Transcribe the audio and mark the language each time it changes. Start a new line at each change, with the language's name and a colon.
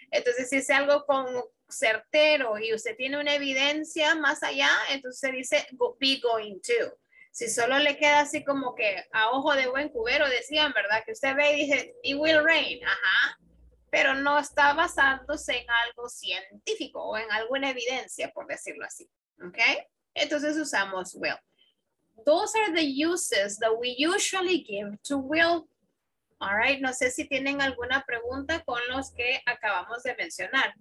Spanish: Entonces, si es algo como certero y usted tiene una evidencia más allá, entonces se dice be going to. Si solo le queda así como que a ojo de buen cubero, decían, ¿verdad? Que usted ve y dice,
English: it will rain,
Spanish: ajá. Pero no está basándose en algo científico o en alguna evidencia, por decirlo así. ¿Ok? Entonces usamos will.
English: Those are the uses that we usually give to will. All right.
Spanish: No sé si tienen alguna pregunta con los que acabamos de mencionar.